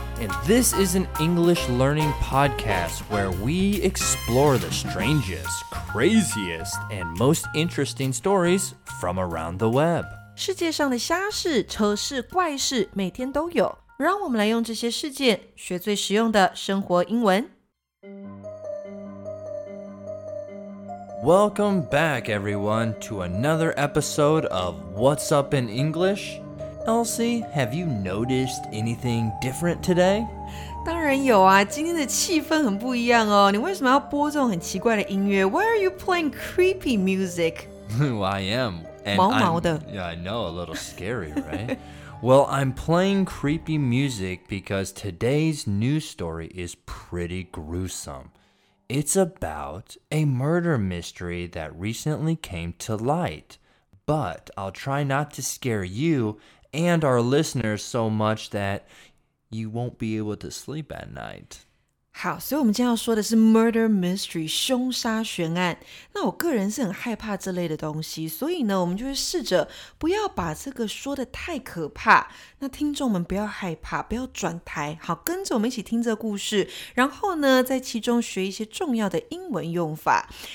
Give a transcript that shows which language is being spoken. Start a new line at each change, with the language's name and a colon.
English: And this is an English learning podcast where we explore the strangest, craziest, and most interesting stories from around the web.
Chinese: 世界上的瞎事、丑事、怪事每天都有。让我们来用这些事件学最实用的生活英文。
English: Welcome back, everyone, to another episode of What's Up in English. Elsie, have you noticed anything different today?
Chinese: 当然有啊，今天的气氛很不一样哦。你为什么要播这种很奇怪的音乐？
English: Why are you playing creepy music? I am.
Chinese: 毛毛的。
English: Yeah, I know, a little scary, right? Well, I'm playing creepy music because today's news story is pretty gruesome. It's about a murder mystery that recently came to light. But I'll try not to scare you and our listeners so much that you won't be able to sleep at night.
Chinese: 好，所以我们今天要说的是 murder mystery, 凶杀悬案。那我个人是很害怕这类的东西，所以呢，我们就会试着不要把这个说得太可怕。那听众们不要害怕，不要转台，好，跟着我们一起听这个故事，然后呢，在其中学一些重要的英文用法。